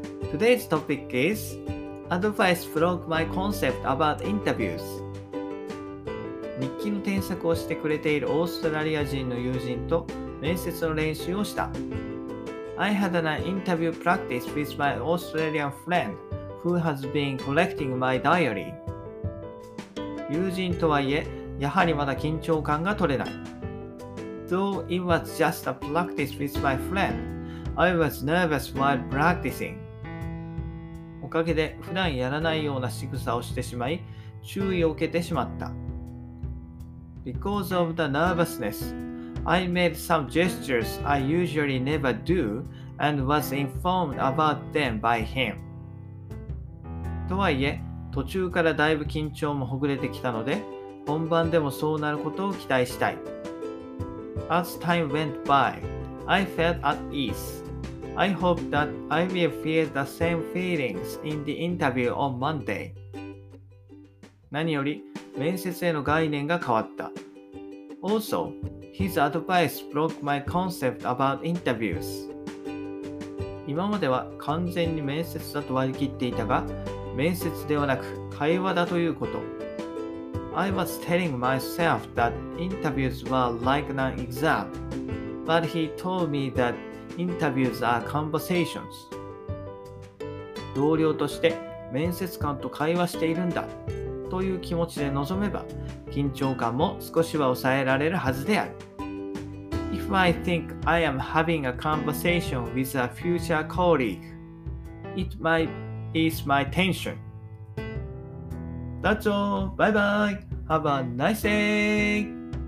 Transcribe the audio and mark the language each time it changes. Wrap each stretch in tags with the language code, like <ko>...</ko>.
<en>Today's topic is advice from my concept about interviews.</en> <ja>日記の添削をしてくれているオーストラリア人の友人と面接の練習をした。</ja> <en>I had an interview practice with my Australian friend who has been collecting my diary.</en> <ja>友人とはいえ、やはりまだ緊張感が取れない。</ja> <en>Though it was just a practice with my friend, I was nervous while practicing.</en> <ja>おかげで普段やらないような仕草をしてしまい、注意を受けてしまった。</ja> <en>Because of the nervousness, I made some gestures I usually never do and was informed about them by him.</en> <ja>とはいえ、途中からだいぶ緊張もほぐれてきたので、本番でもそうなることを期待したい。</ja> <en>As time went by, I felt at ease. I hope that I will feel the same feelings in the interview on Monday.</en> <ja>何より、面接への概念が変わった。</ja> <en>Also, his advice broke my concept about interviews.</en> <ja>今までは完全に面接だと割り切っていたが、面接ではなく会話だということ。</ja> <en>I was telling myself that interviews were like an exam, but he told me that interviews are conversations.</en> <ja>同僚として面接官と会話しているんだという気持ちで臨めば、緊張感も少しは抑えられるはずである。</ja> <en>If I think I am having a conversation with a future colleague, it might ease my tension. That's all. Bye bye. Have a nice day.</en>